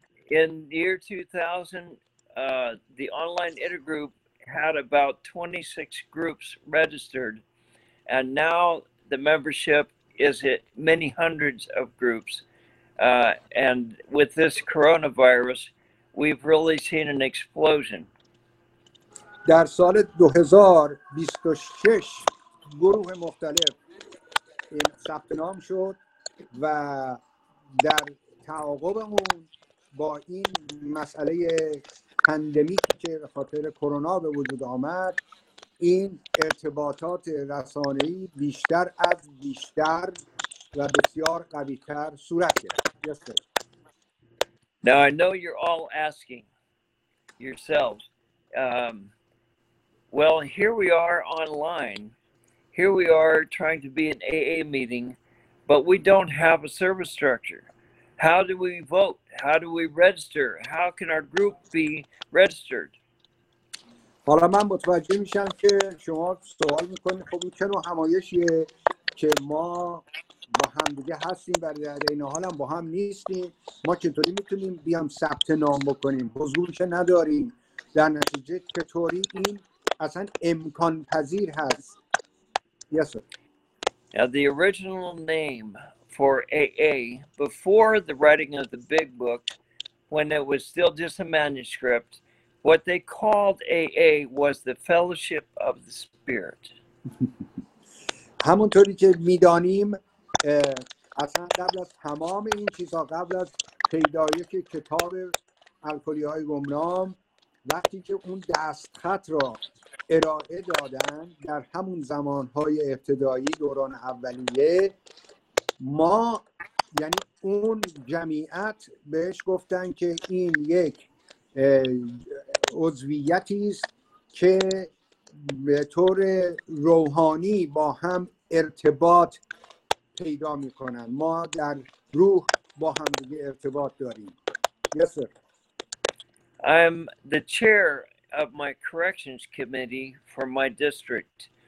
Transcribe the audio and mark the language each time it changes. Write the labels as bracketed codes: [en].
[en] In the year 2000, the online intergroup had about 26 groups registered, and now the membership is it many hundreds of groups. And with this coronavirus, we've really seen an explosion. [fa] در سال 2026 گروه مختلف ثبت نام شد و در تعاقبمون با این مسئله پندمیکی که به خاطر کرونا به وجود آمد، این ارتباطات رسانه‌ای بیشتر از بیشتر و بسیار قوی‌تر صورت گرفت. [en] Yes, sir. Now I know you're all asking yourselves, well, here we are online, here we are trying to be an AA meeting, but we don't have a service structure. How do we vote? How do we register? How can our group be registered? [fa] حالا من متوجه میشم که شما سوال میکنید خب این چه نوع همایشیه که ما با هم دیگه هستیم و در این حال هم با هم نیستیم، ما چطوری میتونیم بیام ثبت نام بکنیم، حضور که نداریم، در نتیجه چطوری این اصلا امکان پذیر هست؟ [en] Yes, sir. Now, the original name for AA before the writing of the big book, when it was still just a manuscript, what they called AA was the Fellowship of the Spirit. [fa] همونطوری که میدانیم اصلا قبل از تمام این چیزها، قبل از پیدایش کتاب الکلی‌های گمنام، وقتی که اون دستخط را ارائه دادن در همون زمانهای ابتدایی دوران اولیه، ما یعنی اون جمعیت بهش گفتن که این یک عضویتی است که به طور روحانی با هم ارتباط پیدا می کنن. ما در روح با هم دیگه ارتباط داریم. [en] Yes, sir. I'm the chair of my corrections committee for my district.